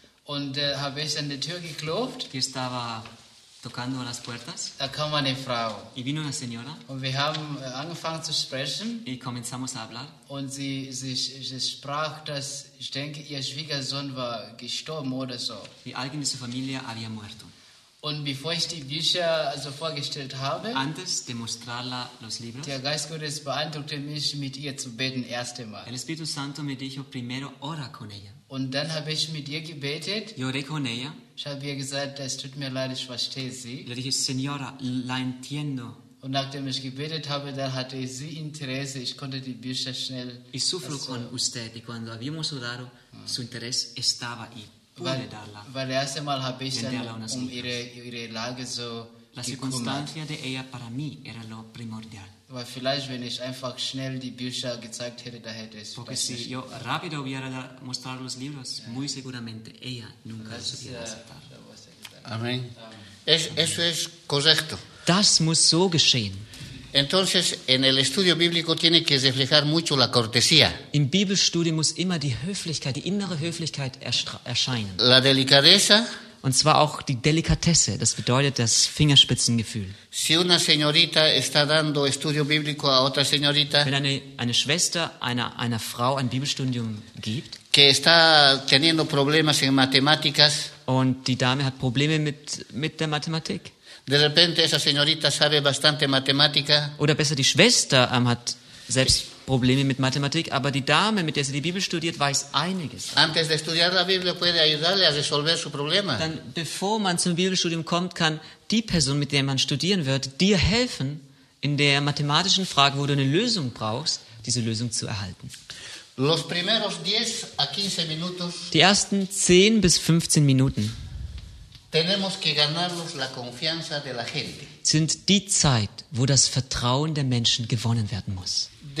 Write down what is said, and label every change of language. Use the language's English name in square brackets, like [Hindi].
[German] Und habe ich an die Tür geklopft. [Spanish] Yo estaba tocando las puertas. [German] Da kam eine Frau. [Spanish] Y vino una señora. [German] Und wir haben angefangen zu sprechen. [Spanish] Y comenzamos a hablar. [German] Und sie sprach, dass ich denke, ihr Schwiegersohn war gestorben oder so. [Spanish] Y alguien de su familia había muerto. [German] Und bevor ich die Bücher also vorgestellt habe, [Spanish] antes de mostrarla los libros, [German] der Geist Gottes beeindruckte mich, mit ihr zu beten, erste Mal. [Spanish] El Espíritu Santo me dijo primero ora con ella. [German] Und dann habe ich mit ihr gebetet. [Spanish] Yo oré con ella. [German] Ich habe ihr gesagt, es tut mir leid, ich verstehe sie. [Spanish] Le dije, señora, la entiendo. [German] Und nachdem ich gebetet habe, dann hatte sie Interesse, ich konnte die Bücher schnell. [Spanish] Y sufro con usted, y cuando habíamos orado, su interés estaba ahí. [German] Weil das erste Mal habe ich dann um ihre Lage so [Spanish] la circunstancia de ella para mí era lo primordial. [German] Weil vielleicht, wenn ich einfach schnell die Bücher gezeigt hätte, da hätte es [Spanish] porque si yo rápido hubiera mostrado los libros, yeah, muy seguramente ella nunca los hubiera aceptado. Amén. Eso es correcto. [German] Das muss so geschehen. [Spanish] Entonces, en el estudio bíblico tiene que reflejar mucho la cortesía. [German] Im Bibelstudium muss immer die Höflichkeit, die innere Höflichkeit erscheinen. [Spanish] La delicadeza. [German] Und zwar auch die Delikatesse, das bedeutet das Fingerspitzengefühl. [Spanish] Si una señorita está dando estudio bíblico a otra señorita, [German] wenn eine Schwester einer Frau ein Bibelstudium gibt, [Spanish] que está teniendo problemas en matemáticas, [German] und die Dame hat Probleme mit der Mathematik, [Spanish] de repente esa señorita sabe bastante matemática. [German] Oder besser, die Schwester hat selbst Probleme mit Mathematik, aber die Dame, mit der sie die Bibel studiert, weiß einiges. [Spanish] Antes de estudiar la Biblia puede ayudarle a resolver su problema. [German] Dann, bevor man zum Bibelstudium kommt, kann die Person, mit der man studieren wird, dir helfen, in der mathematischen Frage, wo du eine Lösung brauchst, diese Lösung zu erhalten. [Spanish] Los primeros 10 a 15 minutos. [German] Die ersten 10 bis 15 Minuten. [Spanish] Tenemos que ganarnos la confianza de la gente. [German] Sind die Zeit, wo das Vertrauen der Menschen gewonnen werden muss.